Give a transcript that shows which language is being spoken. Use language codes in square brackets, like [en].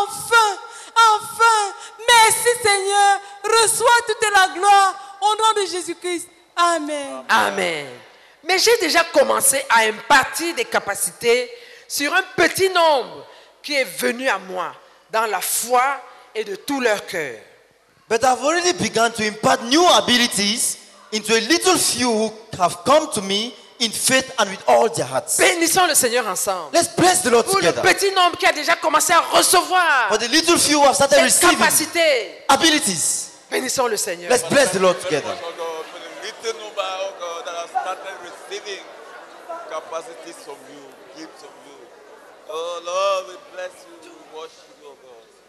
[fr] Enfin, enfin. Merci, Seigneur. Reçois toute la gloire au nom de Jésus-Christ. Amen. Amen. Mais j'ai déjà commencé à impartir des capacités sur un petit nombre qui est venu à moi dans la foi et de tout leur cœur. [en] But I've already begun to impart new abilities into a little few who have come to me in faith and with all their hearts. [fr] Bénissons le Seigneur ensemble. [en] Let's bless the Lord together. [fr] Pour le petit nombre qui a déjà commencé à recevoir. [en] For the little few who have started receiving. [fr] Capacités. [en] Abilities. [fr] Bénissons le Seigneur. [en] Let's bless the Lord together. Capacities from you, gifts from you. Oh Lord, we bless you, we worship you, oh God.